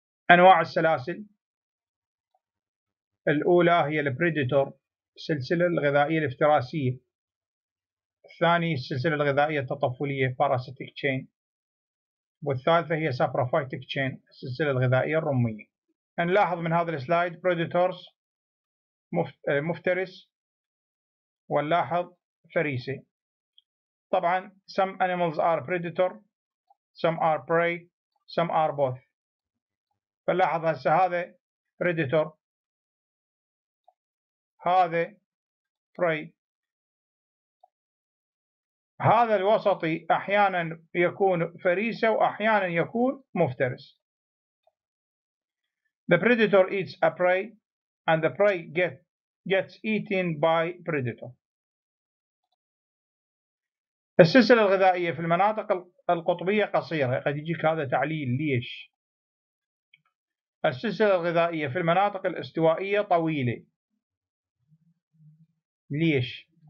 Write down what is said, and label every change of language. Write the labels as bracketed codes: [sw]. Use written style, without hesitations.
[ar] أنواع السلاسل، الأولى هي البريديتور، السلسلة الغذائية الافتراسية، الثاني السلسلة الغذائية التطفلية باراسيتيك تشين، والثالثة هي سابروفايتيك تشين، السلسلة الغذائية الرمية. نلاحظ من هذا السلايد بريديتورز مفترس، ونلاحظ فريسة. [en] طبعا some animals are predator, some are prey, some are both. [ar] فلاحظ هسه هذا predator، هذا prey، هذا الوسطي احيانا يكون فريسة واحيانا يكون مفترس. [en] The predator eats a prey and the prey gets eaten by predator. [ar] السلسلة الغذائية في المناطق القطبية قصيرة، قد يجيك هذا تعليل ليش؟ السلسلة الغذائية في المناطق الاستوائية طويلة ليش؟